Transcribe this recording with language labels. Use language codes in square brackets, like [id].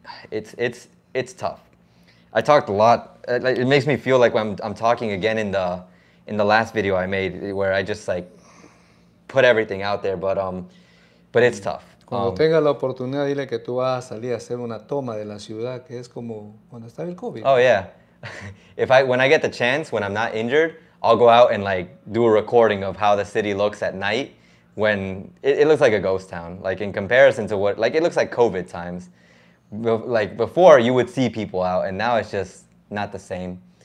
[en] It's tough. I talked a lot. It makes me feel like when I'm talking again in the last video I made, where I just like put everything out there. But it's tough. [es] Cuando tenga la oportunidad, dile que tú vas a salir a hacer una toma de la ciudad, que es como cuando estaba el COVID. [en] Oh yeah. When I get the chance, when I'm not injured, I'll go out and like do a recording of how the city looks at night when it looks like a ghost town, like in comparison to what, like it looks like COVID times. Like before, you would see people out, and now it's just not the same.